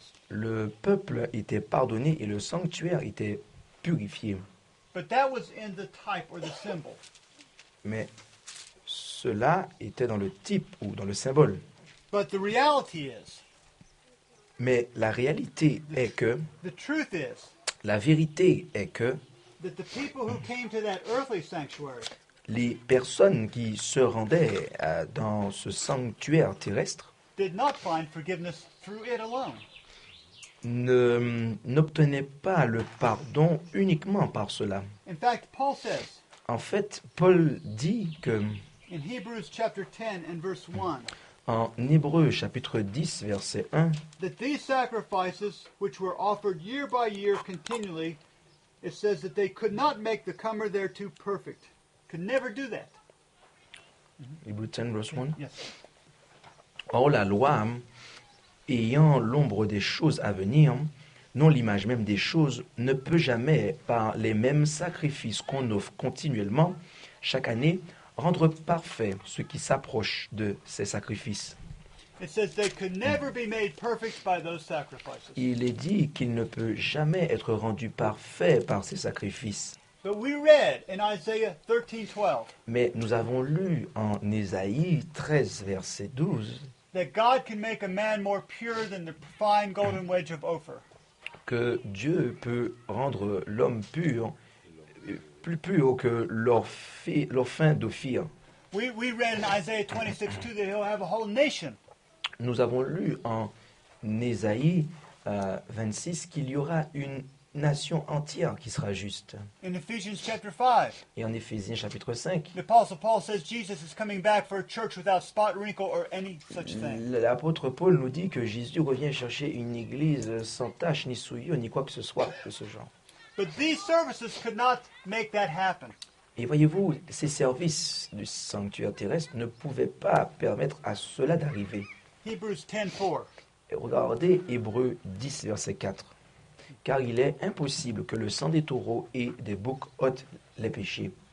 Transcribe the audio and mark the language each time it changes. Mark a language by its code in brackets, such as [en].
[fr] Le peuple était pardonné et le sanctuaire était purifié. [en] But that was in the type or the symbol. [fr] Mais cela était dans le type ou dans le symbole. [en] But the reality is, [fr] mais la réalité est que [en] the truth is, [fr] la vérité est que [en] that the people who came to that earthly sanctuary, [fr] les personnes qui se rendaient dans ce sanctuaire terrestre [en] did not find forgiveness through it alone. [fr] N'obtenaient pas le pardon uniquement par cela. [en] In fact, Paul says, [fr] en fait, Paul dit que [en] in Hebrews chapter 10 and verse 1, [fr] en Hébreux chapitre 10, verset 1, [en] that these sacrifices which were offered year by year continually, it says that they could not make the comer thereto perfect. Could never do that. Hebrews 10, verse 1. Yes. [fr] Or la loi, ayant l'ombre des choses à venir, non l'image même des choses, ne peut jamais, par les mêmes sacrifices qu'on offre continuellement, chaque année, rendre parfait ce qui s'approche de ces sacrifices. [en] It says they could never be made perfect by those sacrifices. [fr] Il est dit qu'il ne peut jamais être rendu parfait par ces sacrifices. [en] But we read in Isaiah 13, 12. [fr] Mais nous avons lu en Ésaïe 13, verset 12. [en] That God can make a man more pure than the fine golden wedge of Ophir. [fr] Que Dieu peut rendre l'homme pur, plus pur que l'or fin d'Ophir. [en] We read in Isaiah 26, 2 that he'll have a whole nation. [fr] Nous avons lu en Ésaïe 26 qu'il y aura une nation entière qui sera juste. [en] In Ephesians chapter 5, [fr] et en Éphésiens chapitre 5, l'apôtre [en] Paul says Jesus is coming back for a church without spot, wrinkle or any such thing. [fr] L'apôtre Paul nous dit que Jésus revient chercher une église sans tache ni souillure ni quoi que ce soit de ce genre. [en] But these services could not make that happen. [fr] Et voyez-vous, ces services du sanctuaire terrestre ne pouvaient pas permettre à cela d'arriver. [en] Hebrews 10, 4. [fr] Et regardez Hébreux 10, verset 4. Car il est impossible que le sang des taureaux et des boucs ôte les péchés.